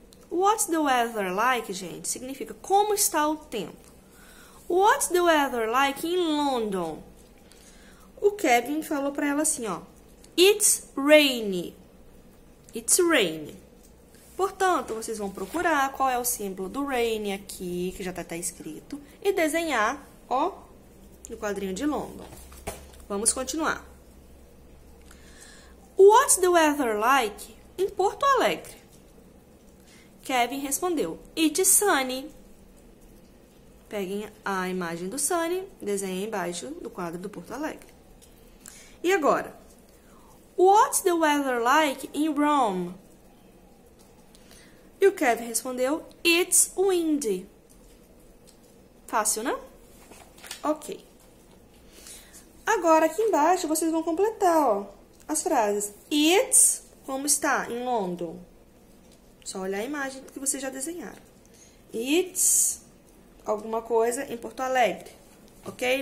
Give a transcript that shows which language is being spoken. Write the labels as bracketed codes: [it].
[en] What's the weather like, [pt] gente, significa como está o tempo. [en] What's the weather like in London? [pt] O Kevin falou para ela assim, ó: [en] It's rainy. It's rainy. [pt] Portanto, vocês vão procurar qual é o símbolo do rain aqui, que já está escrito, e desenhar, ó, no quadrinho de London. Vamos continuar. [en] What's the weather like em Porto Alegre? Kevin respondeu: It's sunny. [pt] Peguem a imagem do sunny, desenhem embaixo do quadro do Porto Alegre. E agora? [en] What's the weather like in Rome? [pt] E o Kevin respondeu: [en] It's windy. [pt] Fácil, né? Ok. Agora aqui embaixo vocês vão completar, ó, as frases. It's como está em London. Só olhar a imagem que vocês já desenharam. It's alguma coisa em Porto Alegre. Ok?